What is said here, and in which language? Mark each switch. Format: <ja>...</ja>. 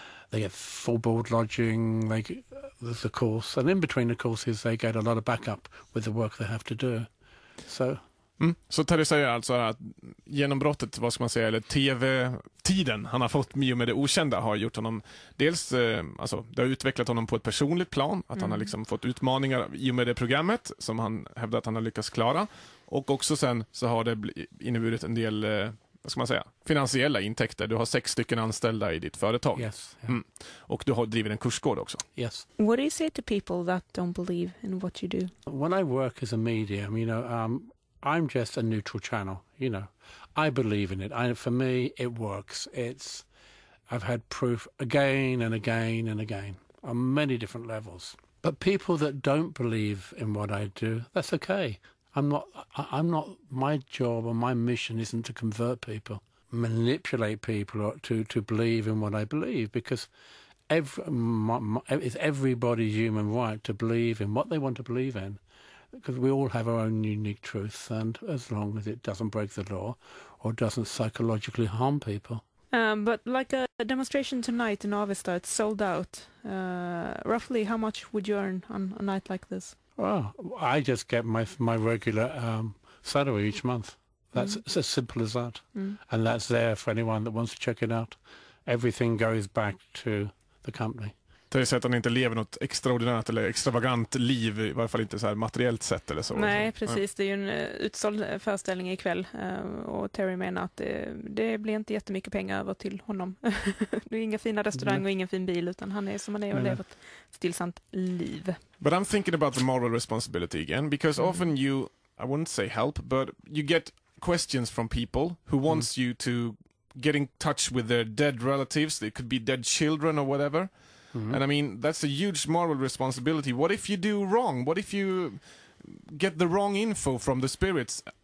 <en>They get full board lodging. There's a course, and in between the courses, they get a lot of backup with the work they have to do. So Mm.</en> <sv>Så Terry säger alltså att genombrottet, vad ska man säga, eller tv-tiden han har fått med Det okända har gjort honom dels, alltså det har utvecklat honom på ett personligt plan, att han har liksom fått utmaningar i och med det programmet som han hävdar att han har lyckats klara, och också sen så har det inneburit en del, vad ska man säga, finansiella intäkter. Du har 6 stycken anställda i ditt företag.</sv> <en>Yes. Yeah. Mm.</en> <sv>Och du har drivit en kursgård också.</sv> <en>Yes. What do you say to people that don't believe in what you do? When I work as a media, I mean, I'm just a neutral channel, you know. I believe in it. For me, it works. I've had proof again and again and again on many different levels. But people that don't believe in what I do, that's okay. I'm not. My job or my mission isn't to convert people, manipulate people, or to believe in what I believe. Because it's everybody's human right to believe in what they want to believe in. Because we all have our own unique truth, and as long as it doesn't break the law or doesn't psychologically harm people. But like a demonstration tonight in Avesta, it's sold out. Roughly, how much would you earn on a night like this? Well, I just get my regular salary each month. That's as simple as that. Mm. And that's there for anyone that wants to check it out. Everything goes back to the company.</en> <sv>Det är så att han inte lever något extraordinärt eller extravagant liv, i varje fall inte så här materiellt sett eller så. Nej, precis. Det är ju en utsåld föreställning ikväll. Och Terry menar att det blir inte jättemycket pengar över till honom. Det är inga fina restauranger och ingen fin bil, utan han är som han är och lever ett stillsamt liv.</sv> <en>But I'm thinking about the moral responsibility again, because often you, I wouldn't say help, but you get questions from people who wants you to get in touch with their dead relatives. They could be dead children or whatever. Mm-hmm. And I mean, that's a huge moral responsibility. What if you do wrong? What if you get the wrong info from the spirits?</en>